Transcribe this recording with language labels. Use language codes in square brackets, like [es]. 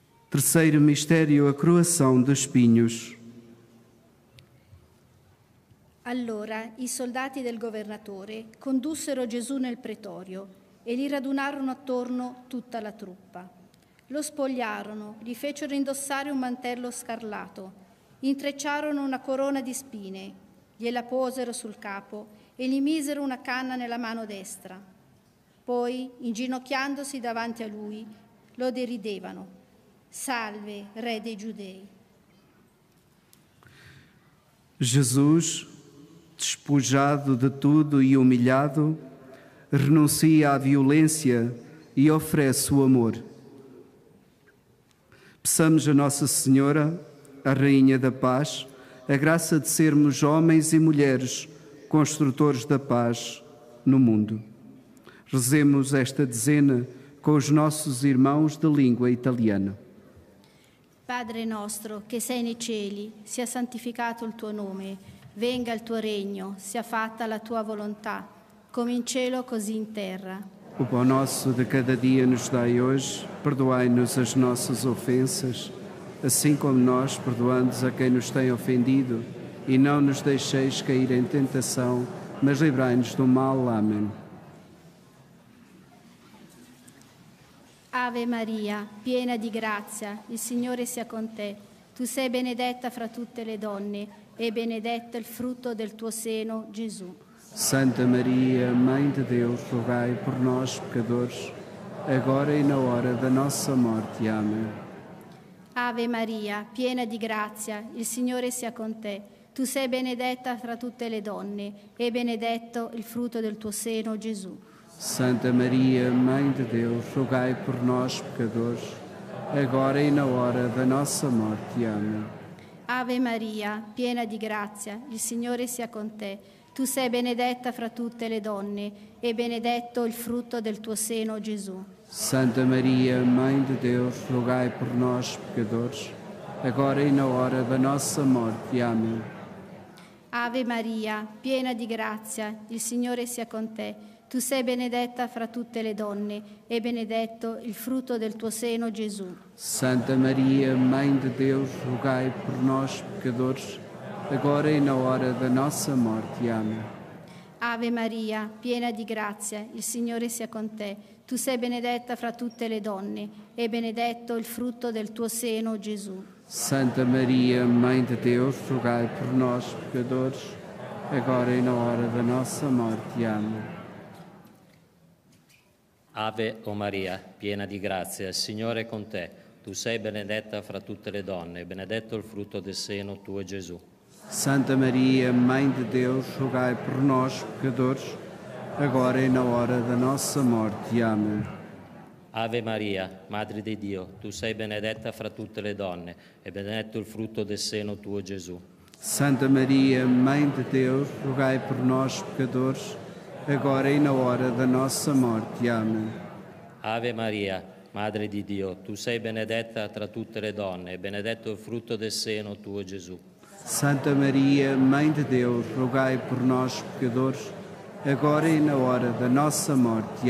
[pt] Terceiro mistério, a coroação de espinhos. [it] Allora i soldati del governatore condussero Gesù nel pretorio e gli radunarono attorno tutta la truppa. Lo spogliarono, gli fecero indossare un mantello scarlato, intrecciarono una corona di spine, gliela posero sul capo e gli misero una canna nella mano destra. Poi, inginocchiandosi davanti a lui, lo deridevano. Salve, re dei giudei! [pt] Gesù, despojado de tudo e humilhado, renuncia à violência e oferece o amor. Peçamos a Nossa Senhora, a Rainha da Paz, a graça de sermos homens e mulheres construtores da paz no mundo. Rezemos esta dezena com os nossos irmãos de língua italiana. [it] Padre nostro, che sei nei cieli, sia santificato il tuo nome. Venga il tuo regno, sia fatta la tua volontà, come in cielo così in terra. [pt] O pão nosso de cada dia nos dai hoje, perdoai-nos as nossas ofensas, assim como nós perdoamos a quem nos tem ofendido, e não nos deixeis cair em tentação, mas livrai-nos do mal. Amém. [it] Ave Maria, piena di grazia, il Signore sia con te. Tu sei benedetta fra tutte le donne, e benedetto il frutto del tuo seno, Gesù. [pt] Santa Maria, Mãe de Deus, rogai por nós, pecadores, agora e na hora da nossa morte. Amém. [it] Ave Maria, piena di grazia, il Signore sia con te. Tu sei benedetta fra tutte le donne, e benedetto il frutto del tuo seno, Gesù. [pt] Santa Maria, Mãe de Deus, rogai por nós, pecadores, agora e na hora da nossa morte. Amém. [it] Ave Maria, piena di grazia, il Signore sia con te. Tu sei benedetta fra tutte le donne, e benedetto il frutto del tuo seno, Gesù. [pt] Santa Maria, Mãe de Deus, rogai por nós, pecadores, agora e na hora da nossa morte. Amém. [it] Ave Maria, piena di grazia, il Signore sia con te. Tu sei benedetta fra tutte le donne, e benedetto il frutto del tuo seno, Gesù. [pt] Santa Maria, Mãe de Deus, rogai por nós, pecadores, agora e na hora da nossa morte. Amém. [it] Ave Maria, piena di grazia, il Signore sia con te. Tu sei benedetta fra tutte le donne, e benedetto il frutto del tuo seno, Gesù. [pt] Santa Maria, Mãe de Deus, rogai por nós, pecadores, agora e na hora da nossa morte. Amém. [it] Ave o Maria, piena di grazia, il Signore è con te. Tu sei benedetta fra tutte le donne, e benedetto il frutto del seno, tuo Gesù. [pt] Santa Maria, Mãe de Deus, rogai por nós, pecadores, agora e na hora da nossa morte. Amém. [it] Ave Maria, Madre di Dio, tu sei benedetta fra tutte le donne, e benedetto il frutto del seno, tuo Gesù. [pt] Santa Maria, Mãe de Deus, rogai por nós, pecadores, agora e na hora da nossa morte. Amém. [it] Ave Maria, Madre di Dio, tu sei benedetta tra tutte le donne, e benedetto il frutto del seno, tuo Gesù. [pt] Santa Maria, Mãe de Deus, rogai por nós, pecadores, agora e na hora da nossa morte.